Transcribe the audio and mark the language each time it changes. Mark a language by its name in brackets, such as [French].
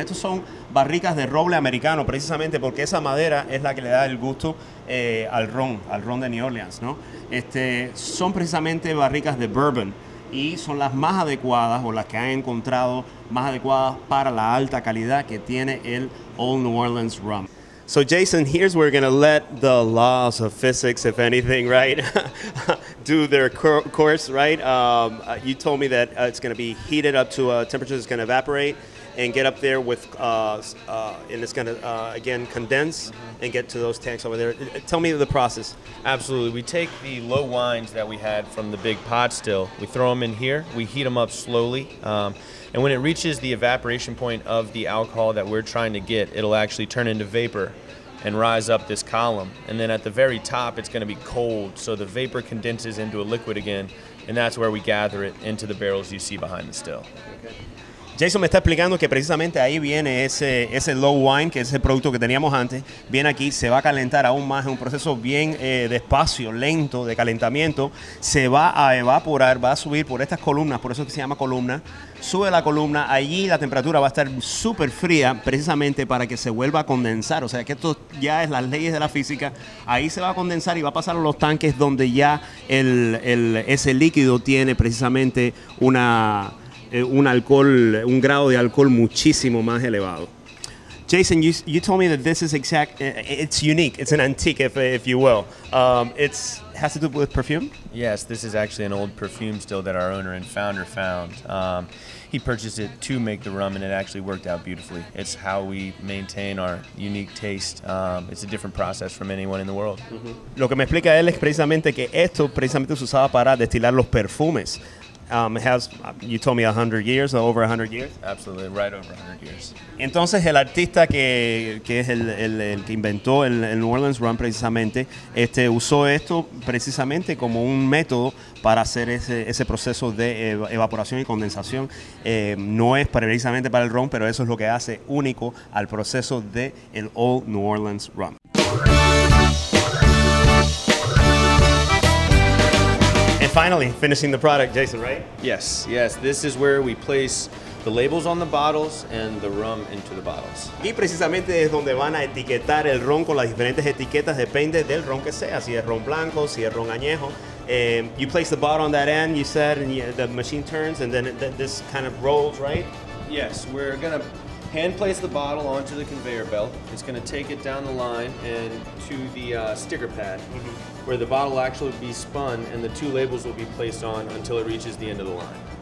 [Spanish] Estos son barricas de roble americano, precisamente porque esa madera es la que le da el gusto al ron de New Orleans, ¿no? Son precisamente barricas de bourbon. Y son las más adecuadas o las que han encontrado más adecuadas para la alta calidad que tiene el Old New Orleans Rum. [English] So Jason, here's where we're going to let the laws of physics, if anything, right, do their course, right? You told me that it's going to be heated up to a temperature that's going to evaporate and get up there with, and it's going to, again, condense and get to those tanks over there. Tell me the process. Absolutely. We take the low wines that we had from the big pot still. We throw them in here. We heat them up slowly. And when it reaches the evaporation point of the alcohol that we're trying to get, it'll actually turn into vapor and rise up this column. And then at the very top, it's going to be cold. So the vapor condenses into a liquid again. And that's where we gather it into the barrels you see behind the still. [Spanish] Jason me está explicando que precisamente ahí viene ese low wine, que es el producto que teníamos antes, viene aquí, se va a calentar aún más, es un proceso bien despacio, lento de calentamiento, se va a evaporar, va a subir por estas columnas, por eso que se llama columna, sube la columna, allí la temperatura va a estar súper fría precisamente para que se vuelva a condensar, o sea que esto ya es las leyes de la física, ahí se va a condensar y va a pasar a los tanques donde ya ese líquido tiene precisamente un grado de alcohol muchísimo más elevado. [English] Jason, you told me that this is exact. It's unique. It's an antique, if you will. It has to do with perfume. Yes, this is actually an old perfume still that our owner and founder found. He purchased it to make the rum, and it actually worked out beautifully. It's how we maintain our unique taste. It's a different process from anyone in the world. [Spanish] Lo que me explica él es precisamente que esto precisamente se usaba para destilar los perfumes. [English] It has, you told me, 100 years, over 100 years? Absolutely, right over 100 years. [Spanish] Entonces, el artista que es el que inventó el New Orleans Rum, precisamente, usó esto precisamente como un método para hacer ese proceso de evaporación y condensación. No es precisamente para el rum, pero eso es lo que hace único al proceso de el Old New Orleans Rum. [English] Finally, finishing the product, Jason, right? Yes. This is where we place the labels on the bottles and the rum into the bottles. [Spanish] Y precisamente es donde van a etiquetar el ron con las diferentes etiquetas, depende del ron que sea, si es ron blanco, si es ron añejo. [English] You place the bottle on that end, you said, and the machine turns, and then this kind of rolls, right? Yes, we're going to hand place the bottle onto the conveyor belt. It's going to take it down the line and to the sticker pad. Mm-hmm. Where the bottle actually will be spun and the two labels will be placed on until it reaches the end of the line.